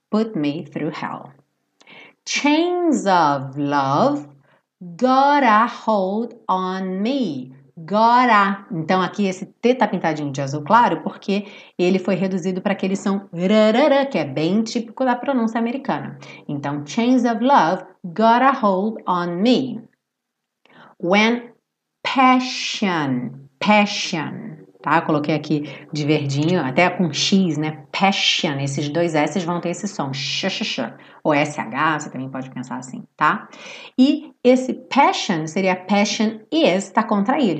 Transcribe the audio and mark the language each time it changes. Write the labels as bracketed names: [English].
[English] Put me through hell. Chains of love got a hold on me. Got a. [Portuguese] Então, aqui esse T tá pintadinho de azul claro porque ele foi reduzido para aquele som rarara, que é bem típico da pronúncia americana. Então, [English] chains of love got a hold on me. When passion, tá? [Portuguese] Eu coloquei aqui de verdinho, até com X, né? Passion, esses dois S vão ter esse som, xaxaxa. Ou SH, você também pode pensar assim, tá? E esse passion seria passion is, tá contraído.